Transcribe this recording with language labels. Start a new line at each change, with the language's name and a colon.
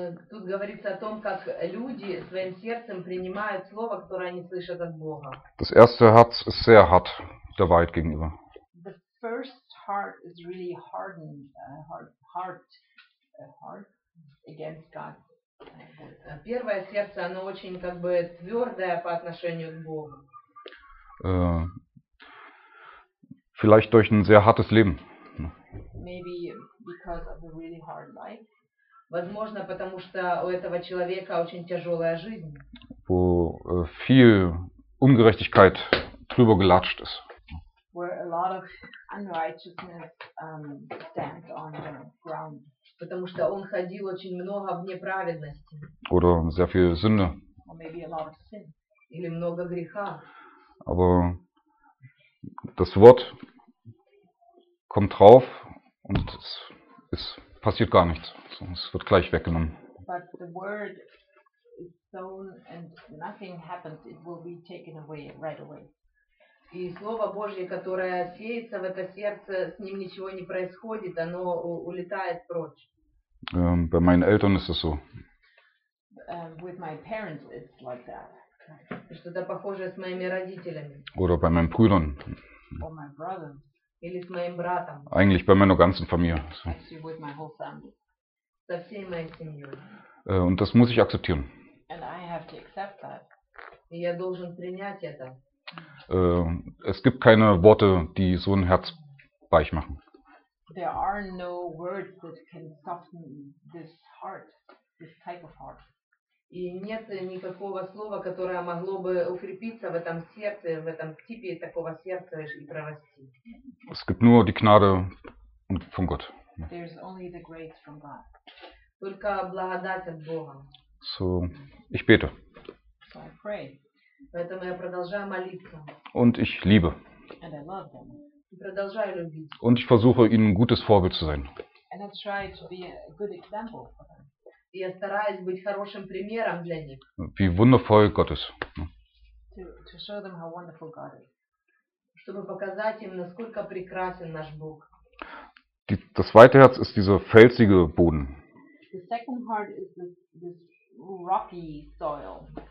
Russian: Тут говорится о том, как люди своим сердцем принимают слово, которое они слышат от Бога.
German: Das erste Herz ist sehr hart der Wahrheit gegenüber.
English: The first heart is really hardened, hard against God.
Russian: Первое сердце, оно очень как бы твердое по отношению к Богу.
German: Vielleicht durch ein sehr hartes Leben.
English: Maybe because of a really hard life.
Russian: Возможно, потому что у этого человека очень тяжелая жизнь.
German: Wo viel Ungerechtigkeit drüber gelatscht ist.
English: Where a lot of unrighteousness stands on the ground.
Russian: Потому что он ходил очень много в неправедности.
German: Oder sehr viel Sünde.
English: Or maybe a lot of sin.
Russian: Или много греха.
German: Aber das Wort kommt drauf und es passiert gar nichts. So, es wird gleich weggenommen.
English: But the word is sown and nothing happens. It will be taken away right away.
Russian: И слово Божье, которое сеется в это сердце, с ним ничего не происходит, оно улетает прочь.
German: Bei meinen Eltern ist es so.
English: With my parents it's like that.
Russian: Что-то похожее с моими родителями.
German: Oder bei meinen Brüdern.
English: Or my brother.
Russian: Или с моим братом.
German: Eigentlich bei meiner ganzen Familie. So.
English: Actually with my whole family.
Russian: Со всей моей семьей.
German: Und das muss ich akzeptieren.
English: And I have to accept that.
Russian: И я должен принять это.
German: Es gibt keine Worte, die so ein Herz weich machen.
English: There are no words that can soften this heart, this type of heart.
Russian: И нет никакого слова, которое могло бы укрепиться в этом сердце, в этом типе такого сердца и прорасти.
German: Es gibt nur die Gnade von Gott.
English: There's only the grace from God.
Russian: Только благодать от Бога.
German: So, ich bete.
English: So I pray.
Russian: Поэтому я продолжаю молиться.
German: Und ich liebe.
English: And I love them.
Russian: И продолжаю любить.
German: Und ich versuche, ihnen ein gutes Vorbild zu sein.
English: And I try to be a good example.
Russian: Я стараюсь быть хорошим примером для них.
German: Wie wundervoll Gott ist.
English: To show them how wonderful God is.
Russian: Чтобы показать им, насколько прекрасен наш Бог.
German: Das zweite Herz ist dieser felsige Boden.
English: The second heart is this rocky soil.